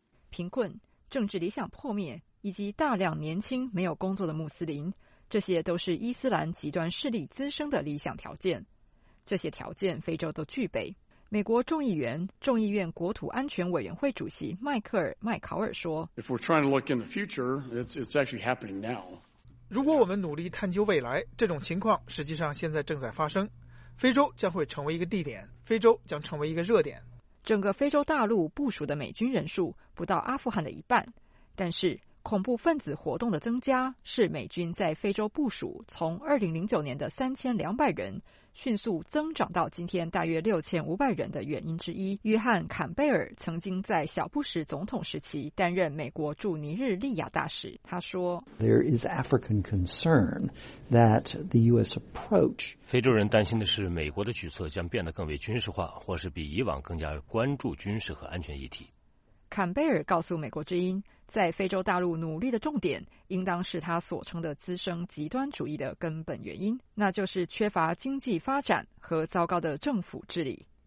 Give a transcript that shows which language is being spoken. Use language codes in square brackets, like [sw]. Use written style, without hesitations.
[zh] 贫困、政治理想破灭以及大量年轻没有工作的穆斯林，这些都是伊斯兰极端势力滋生的理想条件。这些条件非洲都具备。美国众议员、众议院国土安全委员会主席迈克尔·麦考尔说， [en] If we're trying to look in the future, it's actually happening now. [zh] 如果我们努力探究未来，这种情况实际上现在正在发生。非洲将会成为一个地点，非洲将成为一个热点。整个非洲大陆部署的美军人数不到阿富汗的一半，但是恐怖分子活动的增加是美军在非洲部署从2009年的3200人迅速增长到今天大约6500人的原因之一。约翰·坎贝尔曾经在小布什总统时期担任美国驻尼日利亚大使，他说， [en] There is African concern that the US approach [zh] 非洲人担心的是美国的举措将变得更为军事化，或是比以往更加关注军事和安全议题。坎贝尔告诉美国之音，在非洲大陆努力的重点应当是他所称的滋生极端主义的根本原因，那就是缺乏经济发展和糟糕的政府治理。